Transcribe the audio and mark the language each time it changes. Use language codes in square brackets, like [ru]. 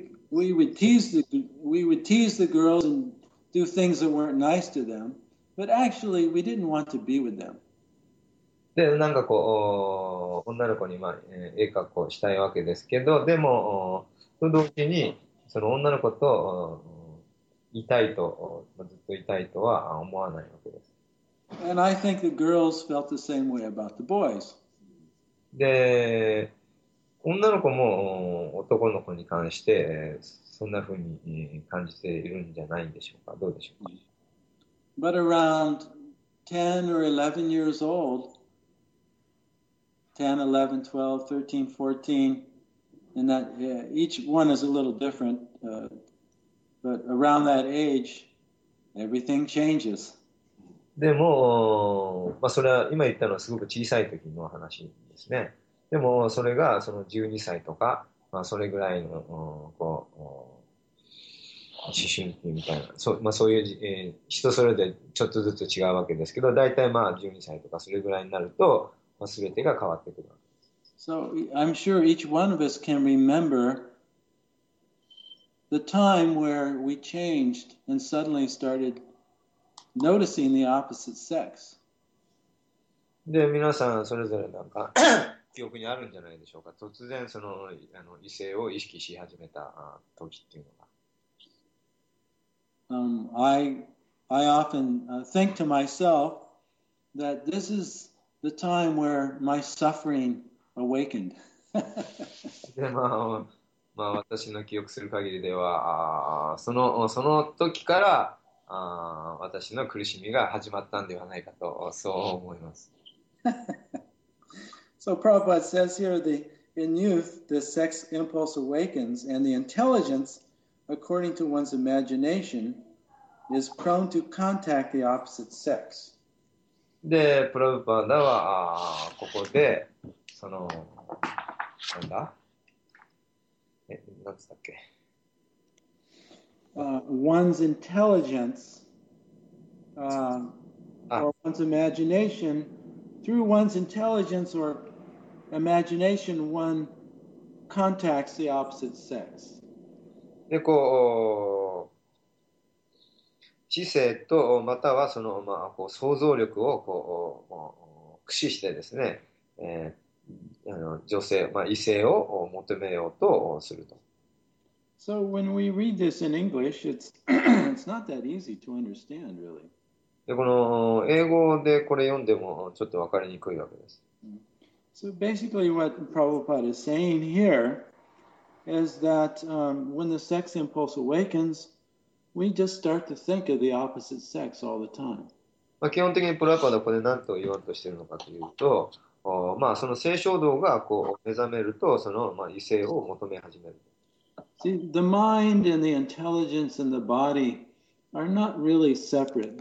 [en] We would tease the girls and do things that weren't nice to them, but actually we didn't want to be with them. [ja] で、なんかこう、女の子に、まあ、絵描こうしたいわけですけど、でも、その同時に、その女の子と、いたいと、ずっといたいとは思わないわけです。 [en] And I think the girls felt the same way about the boys. [ja] で、女の子も男の子に関してそんな風に感じているんじゃないんでしょうか。どうでしょうか。 [en] But around 10 or 11 years old, 10, 11, 12, 13, 14, and that each one is a little different, but around that age, everything changes. [ja] でも、まあ、それは今言ったのはすごく小さい時の話ですね。でもそれがその12歳とか、まあ、それぐらいの、こう、思春期みたいな、そう、まあ、そういう、人それでちょっとずつ違うわけですけど、大体まあ12歳とかそれぐらいになると、まあ、全てが変わってくるわけです。 [en] So I'm sure each one of us can remember the time where we changed and suddenly started noticing the opposite sex. [ja] で、皆さんそれぞれなんか記憶にあるんじゃないでしょうか。突然その、異性を意識し始めた時っていうのが。 [en] I often think to myself that this is the time where my suffering awakened. [ja] で、まあ、まあ、私の記憶する限りでは、その時から私の苦しみが始まったんではないかと、そう思います。 [en] So Prabhupada says here, in youth, the sex impulse awakens and the intelligence, according to one's imagination, is prone to contact the opposite sex. [ja] で、プラブパダは、ここで、その、なんだ？え、なんつったっけ？ [en] One's intelligence or one's imagination, through one's intelligence or imagination, one contacts the opposite sex. [ja] でこう知性とまたはその、まあ、こう想像力をこう駆使してですね、あの女性、まあ、異性を求めようとすると。 [en] So when we read this in English, it's it's not that easy to understand, really. [ja] でこの英語でこれ読んでもちょっと分かりにくいわけです。 [en] So basically what Prabhupada is saying here is that when the sex impulse awakens, we just start to think of the opposite sex all the time. [ja] まあ基本的にプラパダはこれ何と言おうとしているのかというと、まあその性衝動がこう目覚めると、そのまあ異性を求め始める。 [en] See, the mind and the intelligence and the body are not really separate.